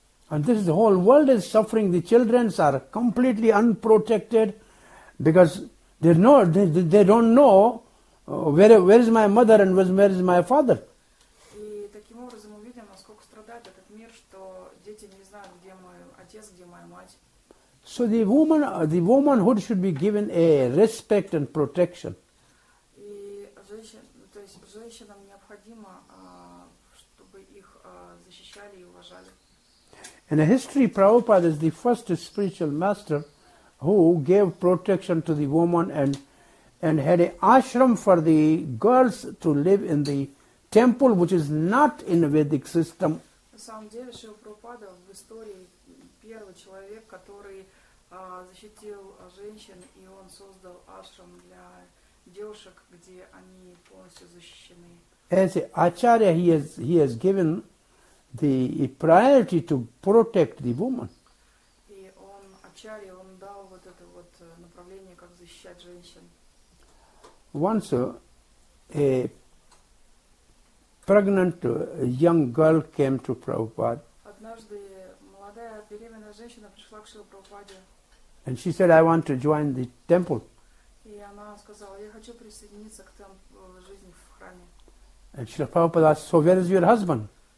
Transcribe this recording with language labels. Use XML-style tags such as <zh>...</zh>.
<en>And this is the whole world is suffering. The children are completely unprotected because they don't know where is my mother and where is my father.</en> <ru>И таким образом мы видим, насколько страдает этот мир, что дети не знают, где мой отец, где моя мать.</ru> <en>So the womanhood should be given a respect and protection.</en> <ru>И женщин, то есть женщинам необходимо, чтобы их защищали и уважали.</ru> <en>In the history, Prabhupada is the first spiritual master who gave protection to the woman and had an ashram for the girls to live in the temple, which is not in the Vedic system.</en> <ru>На самом деле, Шрила Прабхупада в истории первый человек, который защитил женщин, и он создал ашрам для девушек, где они полностью защищены.</ru> <en>As an acharya, he has given the priority to protect the woman.</en> <ru>И он ачарья, он дал вот это вот направление, как защищать женщин.</ru> <en>Once a pregnant young girl came to Prabhupada.</en> <ru>Однажды молодая беременная женщина пришла к Шриле Прабхупаде.</ru> <en>And she said, I want to join the temple.</en> <ru>И она сказала, я хочу присоединиться к жизни в храме.</ru> <en>And Шрила Прабхупада asked, so where is your husband?</en>